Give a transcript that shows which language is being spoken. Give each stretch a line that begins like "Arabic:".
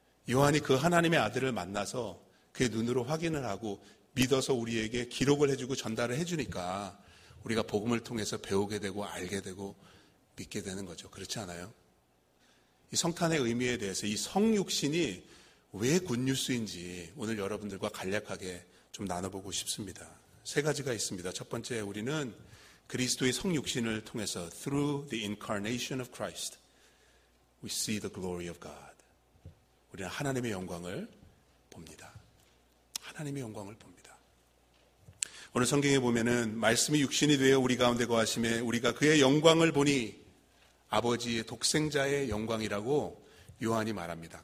Korean: 요한이 그 하나님의 아들을 만나서 그의 눈으로 확인을 하고 믿어서 우리에게 기록을 해주고 전달을 해주니까 우리가 복음을 통해서 배우게 되고 알게 되고 믿게 되는 거죠. 그렇지 않아요? 이 성탄의 의미에 대해서 이 성육신이 왜 굿뉴스인지 오늘 여러분들과 간략하게 좀 나눠보고 싶습니다. 세 가지가 있습니다. 첫 번째, 우리는 그리스도의 성육신을 통해서
English: through the incarnation of Christ we see the glory of God.
Korean: 우리는 하나님의 영광을 봅니다. 하나님의 영광을 봅니다. 오늘 성경에 보면은 말씀이 육신이 되어 우리 가운데 거하심에 우리가 그의 영광을 보니 아버지의 독생자의 영광이라고 요한이 말합니다.